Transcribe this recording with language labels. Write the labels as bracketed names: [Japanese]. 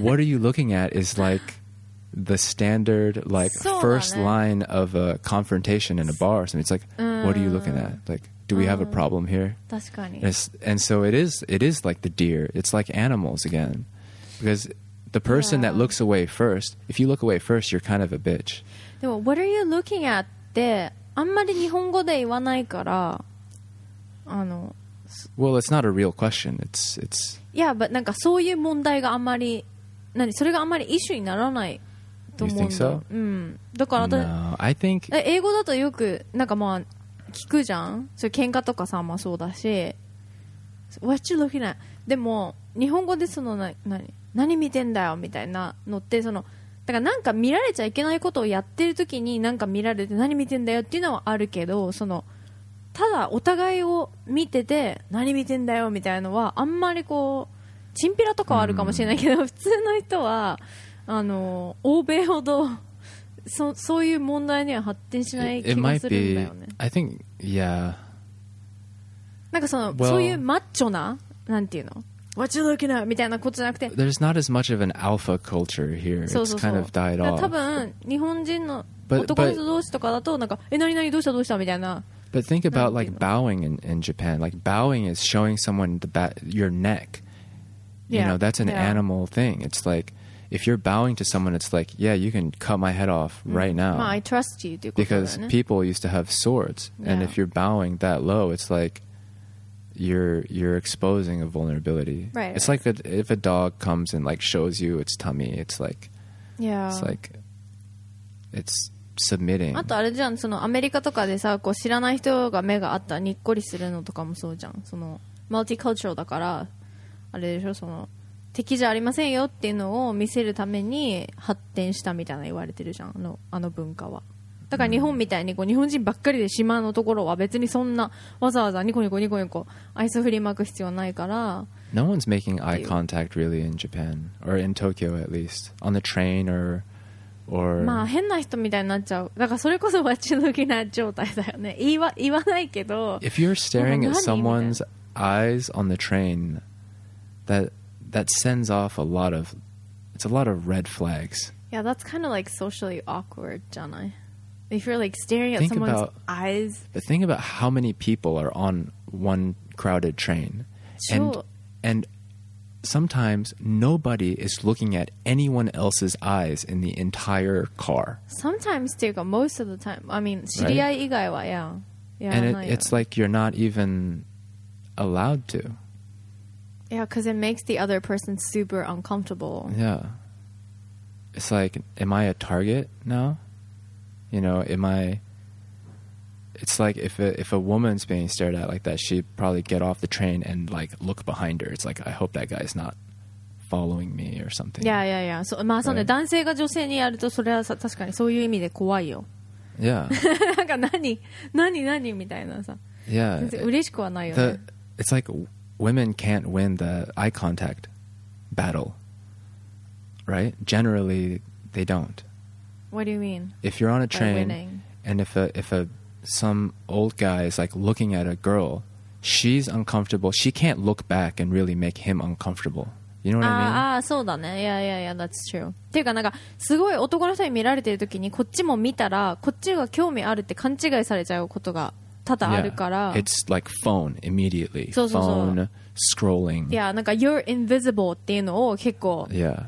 [English] What are you looking at is like the standard, like first line of a confrontation in a bar or something. It's like, what are you looking at? Like, do we have a problem here? And so it is like the deer. It's like animals again, because the person that looks away first, if you look away first, you're kind of a bitch. [Japanese] でも [English] What are you looking at? [Japanese] ってあんまり日本語で言わないからあの [English] Well, it's not a real question. It's Yeah, but [Japanese] なんかそういう問題があんまり何それがあんまりイシューにならないと思うんだ [English] You think so? [Japanese] うん。だから [English] No, I think [Japanese] 英語だとよくなんかまあ聞くじゃん。それ喧嘩とかさまあそうだし [English] What you looking at? [Japanese] でも日本語でその何見てんだよみたいなのってそのだからなんか見られちゃいけないことをやってるときになんか見られて何見てんだよっていうのはあるけどそのただお互いを見てて何見てんだよみたいなのはあんまりこうチンピラとかはあるかもしれないけど普通の人はあの欧米ほどそういう問題には発展しない気がするんだよね [English] It might be, I think, yeah [Japanese] なんかその [English] well, [Japanese] そういうマッチョななんていうの [English] What you looking at? [Japanese] みたいなことじゃなくて [English] There's not as much of an alpha culture here. [Japanese] そうそうそう [English] It's kind of died off. [Japanese] 多分日本人の男の人同士とかだとなんか何々どうしたみたいな [English] But think about like bowing in Japan. Like bowing is showing someone your neck. Yeah. You know, that's an animal thing. It's like if you're bowing to someone, it's like, yeah, you can cut my head off right now. まあ I trust you. Because people used to have swords. Yeah. And if you're bowing that low, it's likeyou're exposing a vulnerability. Right. It's like if a dog comes and like shows you its tummy, it's like Yeah. It's like it's submitting. [Japanese] あとあれじゃん、そのアメリカとかでさ、こう知らない人が目があったらにっこりするのとかもそうじゃん。そのマルティカルチャルだからあれでしょ、その敵じゃありませんよっていうのを見せるために発展したみたいな言われてるじゃん。あの文化は。だから日本みたいにこう日本人ばっかりで島のところは別にそんなわざわざニコニコニコニコアイス振りまく必要ないから。 No one's making eye contact really in Japan or in Tokyo at least on the train or まあ変な人みたいになっちゃう。だからそれこそ街の気な状態だよね。言わないけど。 [English] If you're staring at someone's eyes on the train, that sends off a lot of it's a lot of red flags. Yeah, that's kind of like socially awkward, [Japanese] じゃない? [English] If you're like staring at someone's eyes. But think about how many people are on one crowded train, and sometimes nobody is looking at anyone else's eyes in the entire car. Sometimes, [Japanese] というか [English] most of the time. I mean, [Japanese] 知り合い以外は、 [English] yeah. And it's like you're not even allowed to. Yeah, because it makes the other person super uncomfortable. Yeah. It's like, am I a target now? You know, am I... It's like if a woman's being stared at like that, she'd probably get off the train and like look behind her. It's like, I hope that guy's not following me or something. Yeah, yeah, yeah. [Japanese] So, まあ、その男性が女性にやると、それはさ、確かにそういう意味で怖いよ。 [English] Yeah. [Japanese] なんか何みたいなさ。 [English] Yeah. [Japanese] 嬉しくはないよね。 [English] It's like women can't win the eye contact battle, right? Generally, they don't. What do you mean? If you're on a train and if a some old guy is like looking at a girl, she's uncomfortable. She can't look back and really make him uncomfortable. You know what I mean? [Japanese] ああ、そうだね。 [English] Yeah, yeah, yeah, that's true. [Japanese] っていうかなんかすごい男の人に見られてる時にこっちも見たらこっちが興味あるって勘違いされちゃうことが多々あるから。 [English] Yeah, it's like phone immediately. [Japanese] そうそうそう。 [English] Phone scrolling. [Japanese] Yeah, なんか [English] you're invisible [Japanese] っていうのを結構 [English] Yeah.